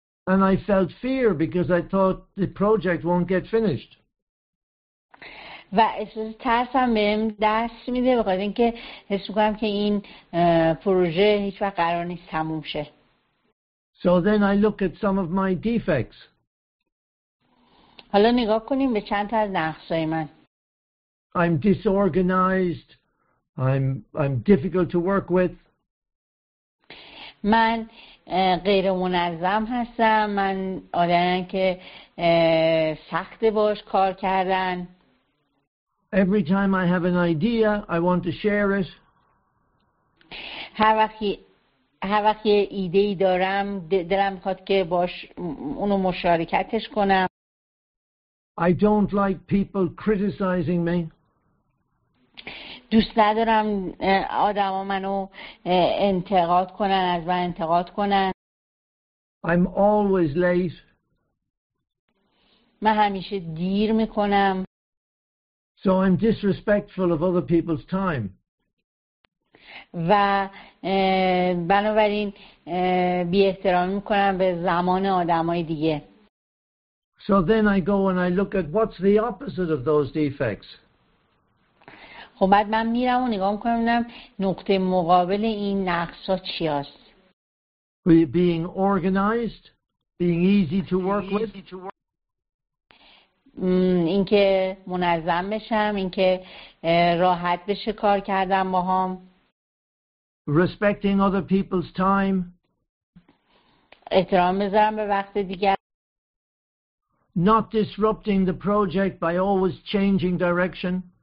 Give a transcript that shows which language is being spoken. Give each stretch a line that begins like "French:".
English: And I felt fear because I thought the project won't get finished.
Persian: و احساس ترسم بهم دست میده بخاطر اینکه حس میکنم که این پروژه هیچ وقت قرار نیست تموم شه.
English: So then I look at some of my defects.
Persian: حالا نگاه کنیم به چند تا از نقصای من.
English: I'm disorganized. I'm difficult to work with.
Persian: من غیر منظم هستم. من آدمم که سخت باش کار کردن.
English: Every time I have an idea, I want to share it.
Persian: هر وقت ایده ای دارم دلم میخواد که باش اونو مشارکتش کنم.
English: I don't like people criticizing me.
Persian: دوست ندارم آدما منو انتقاد کنن از من انتقاد کنن.
English: I'm always late.
Persian: من همیشه دیر میکنم.
English: So I'm disrespectful of other people's time.
Persian: و بنابراین بی احترامی میکنم به زمان آدمای دیگه.
English: So then I go and I look at what's the opposite of those defects.
Persian: خب بعد من میرم و نگاه میکنم نقطه مقابل این نقصها چی هست.
English: Being organized, being easy to work with.
Persian: این که منظم بشم، این که راحت بشه کار کردم با هم.
English: Respecting other people's time.
Persian: احترام بذارم به وقت دیگر.
English: Not disrupting the project by always changing direction.